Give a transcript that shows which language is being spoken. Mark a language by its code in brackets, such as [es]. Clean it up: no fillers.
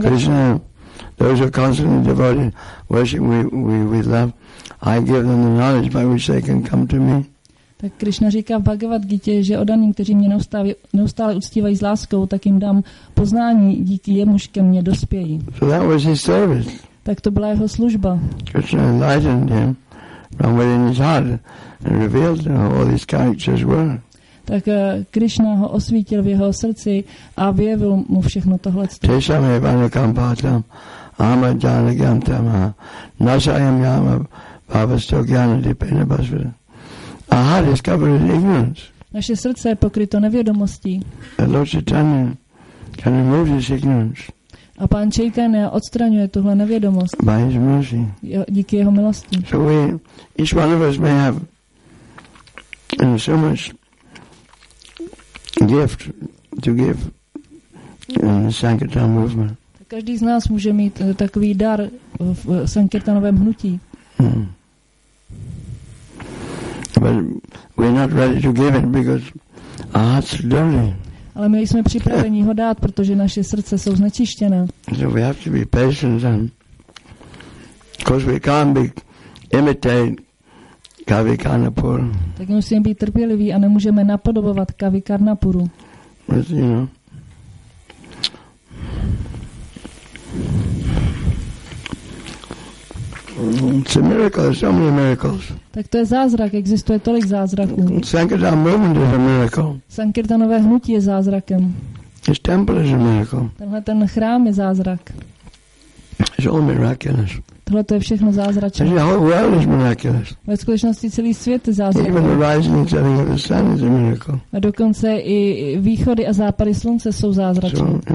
[en] Krishna, those who are constantly devoted, worship we love, I give them the knowledge by which they can come to me. [cs] Tak Krishna říká v Bhagavad Gita, že odaným, kteří mě neustále uctívají s láskou, tak jim dám poznání, díky jemuž ke mně dospějí. [en] So that was his service. [cs] Tak to byla jeho služba. [en] Krishna enlightened him. From within his heart and revealed to him all these characters were. [cs] Tak Krishna ho osvítil v jeho srdci a vyjevil mu všechno tohle. [sa] Tešami vanukampatam ama janagyam tama nasayam yama bhavastogyana dipena basvara. [en] Our heart is covered in ignorance. [cs] Naše srdce je pokryto nevědomostí. [en] And Lord Chaitanya can remove this ignorance. [cs] A pán Chaitanya odstraňuje tuhle nevědomost. [en] By his mercy. [cs] Díky jeho milosti. [en] So we, each one of us may have so much gift to give in the Sankirtan movement. [cs] Každý z nás může mít takový dar v Sankirtanovém hnutí. Hmm. [en] But we're not ready to give it because our hearts are dirty. [cs] Ale my jsme připraveni ho dát, protože naše srdce jsou znečištěné. [en] So we have to be patient and because we can't be imitate Kavi Karnapuru. [cs] Tak musíme být trpěliví a nemůžeme napodobovat Kavi Karnapuru. [en] But, you know, It's a miracle. So many miracles. [cs] Tak to je zázrak. Existuje tolik zázraků. [en] Sankirtan movement is a miracle. [cs] Sankirtanové hnutí je zázrakem. [en] His temple is a miracle. [cs] Tenhle ten chrám je zázrak. [en] It's all miraculous. [cs] Tohle to je všechno zázračné. [en] The whole world is miraculous. [cs] Ve skutečnosti celý svět je zázrak. [en] Even the rising and setting of the sun is a miracle. [cs] A dokonce i východy a západy slunce jsou zázračné.